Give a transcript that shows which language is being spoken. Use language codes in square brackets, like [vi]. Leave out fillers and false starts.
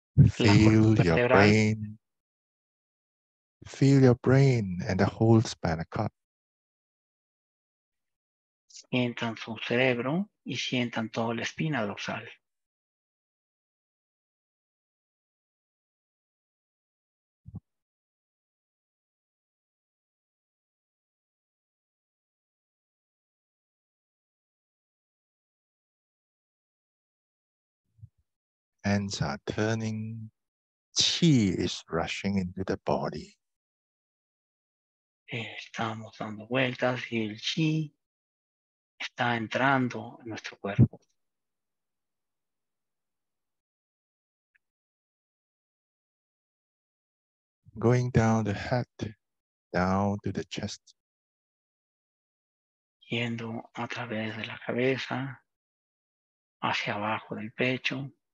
[en] feel your brain, feel your brain and the whole spinal cord. [es] Sientan su cerebro y sientan toda la espina dorsal. [en] Hands are turning, chi is rushing into the body. [es] Estamos dando vueltas y el chi está entrando en nuestro cuerpo. [en] Going down the head, down to the chest. [es] Yendo a través de la cabeza, hacia abajo del pecho.